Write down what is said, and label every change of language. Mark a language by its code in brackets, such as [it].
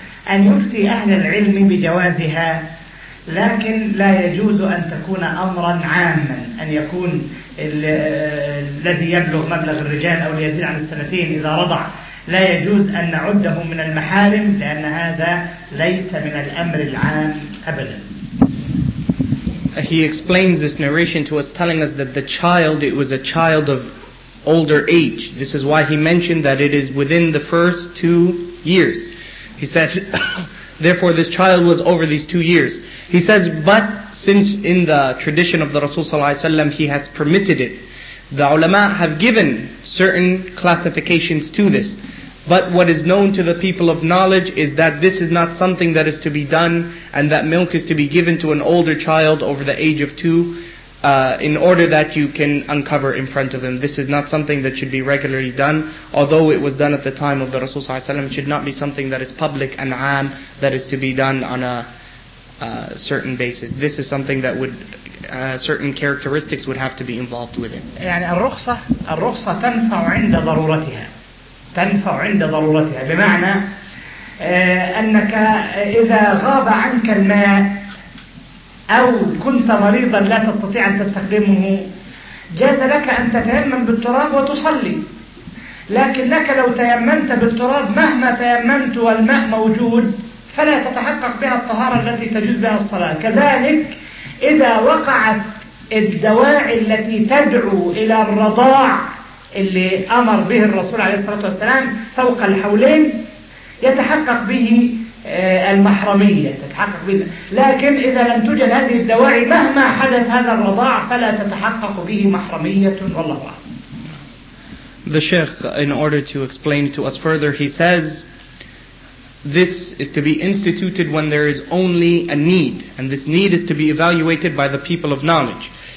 [ar] أن يفتي أهل العلم بجوازها، لكن لا يجوز أن تكون أمرا عاما، أن يكون الذي يبلغ مبلغ الرجال أو ليزيد عن السنتين إذا رضع لا يجوز أن نعده من المحارم، لأن هذا ليس من الأمر العام أبدا. [en] He explains this narration to us, telling us that the child, it was a child of older age. This is why he mentioned that it is within the first 2 years. He said, therefore this child was over these 2 years. He says, but since in the tradition of the Rasul Sallallahu Alaihi Wasallam he has permitted it, the ulama have given certain classifications to this. But what is known to the people of knowledge is that this is not something that is to be done, and that milk is to be given to an older child over the age of 2 in order that you can uncover in front of them. This is not something that should be regularly done, although it was done at the time of the Rasul Sallallahu Alaihi Wasallam. It should not be something that is public and am, that is to be done on a certain basis. This is something that would certain characteristics would have to be involved with it. [ar] يعني الرخصة تنفع عند ضرورتها، تنفع عند ضرورتها، بمعنى أنك إذا غاب عنك الماء أو كنت مريضا لا تستطيع أن تستخدمه جاز لك أن تتيمم بالتراب وتصلي، لكنك لو تيممت بالتراب مهما تيممت والماء موجود فلا تتحقق بها الطهارة التي تجوز بها الصلاة. كذلك إذا وقعت الدواعي التي تدعو إلى الرضاع اللي أمر به الرسول عليه الصلاة والسلام فوق الحولين يتحقق به المحرمية، تتحقق به، لكن إذا لم توجد هذه الدواعي مهما حدث هذا الرضاع فلا تتحقق به محرمية. والله [en] The Sheikh, in order to explain to us further, he says this is to be instituted when there is only a need, and this need is to be evaluated by the people of knowledge.